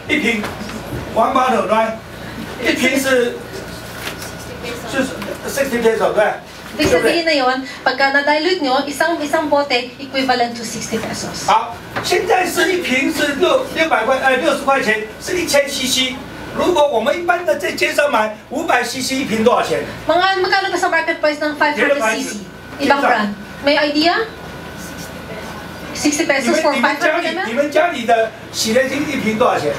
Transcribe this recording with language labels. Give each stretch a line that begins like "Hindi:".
Chinese: 一瓶, 180, right? 一瓶是, 60
Filipino: pesos, right? Ibig sabihin na yun, pagka na-dilute nyo, isang bote,
English: equivalent to
Filipino: 60 pesos.
Chinese: 好,现在是一瓶是60块钱,是1000cc. 如果我们一般的在街上买500cc一瓶多少钱?
Filipino: Magkano ba sa market price ng 500cc? Ibang brand. May idea? 60 pesos for 500ml?
Chinese: 你们家里的洗涤精一瓶多少钱?